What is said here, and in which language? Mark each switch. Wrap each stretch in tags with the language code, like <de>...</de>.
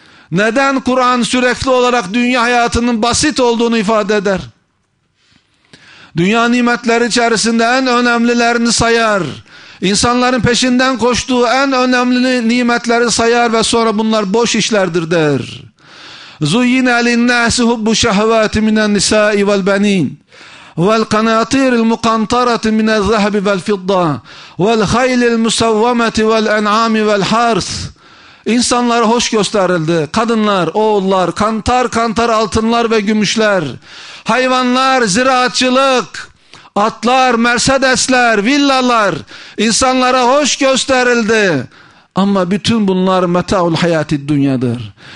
<tr>Neden Kur'an sürekli olarak dünya hayatının basit olduğunu ifade eder? Dünya nimetleri içerisinde en önemlilerini sayar. İnsanların peşinden koştuğu en önemli nimetleri sayar ve sonra bunlar boş işlerdir der.</tr> <ar>Zuyyine linnâsi hubbu şehvâti minen nisâi vel benîn. والقناطير المقنطرة من الذهب والفضة والخيل المسومة والأنعام والحرث.</ar> <tr>İnsanlara hoş gösterildi. Kadınlar, oğullar, kantar kantar altınlar ve gümüşler. Hayvanlar, ziraatçılık, atlar, Mercedesler, villalar. İnsanlara hoş gösterildi. Ama bütün bunlar meta'ul hayatid dünyadır.</tr>